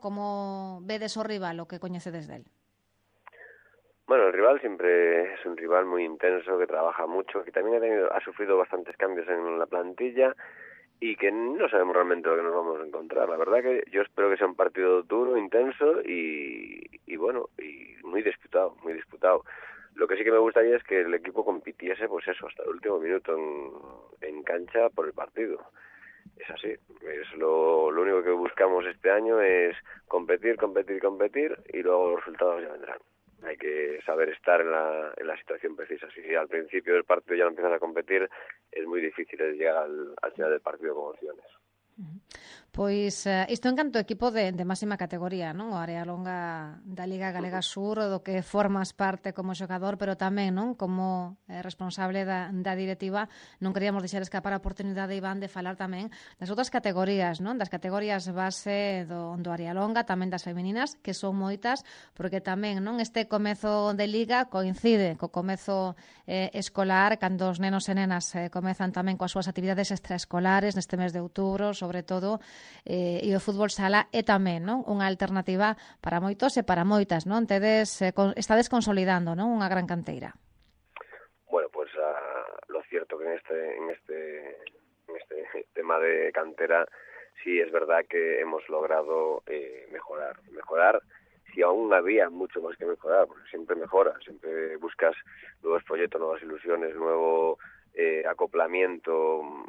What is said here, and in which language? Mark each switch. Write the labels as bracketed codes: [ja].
[gl] Como vedes o rival, o que coñecedes del? [es] Bueno, el rival siempre es un rival muy intenso, que trabaja mucho, que también ha sufrido bastantes cambios en la plantilla y que no sabemos realmente lo que nos vamos a encontrar. La verdad que yo espero que sea un partido duro, intenso y bueno, y muy disputado. Lo que sí que me gustaría es que el equipo compitiese, pues eso, hasta el último minuto en cancha por el partido. Es así. Es lo único que buscamos este año es competir, y luego los resultados ya vendrán. Hay que saber estar en la situación precisa. Si al principio del partido ya no empiezas a competir, es muy difícil llegar al final del partido con opciones. [gl] Pois isto en canto equipo de máxima categoría, non? O Arialonga da Liga Galega Sur, do que formas parte como xogador, pero tamén, non, como responsable da directiva, non queríamos deixar escapar a oportunidade, Iván, de falar tamén das outras categorías, non? Das categorías base do Arialonga, tamén das femininas, que son moitas, porque tamén, non, este comezo de liga coincide co comezo escolar, cando os nenos e nenas comezan tamén coas súas actividades extraescolares neste mes de outubro, sobre todo, e o fútbol sala é tamén, non, unha alternativa para moitos e para moitas, non? Estades consolidando, non, unha gran canteira. [es] Bueno, pues lo cierto que en este tema de cantera, sí es verdad que hemos logrado mejorar, si aún había mucho más que mejorar, porque siempre mejoras, siempre buscas nuevos proyectos, nuevas ilusiones, nuevo acoplamiento.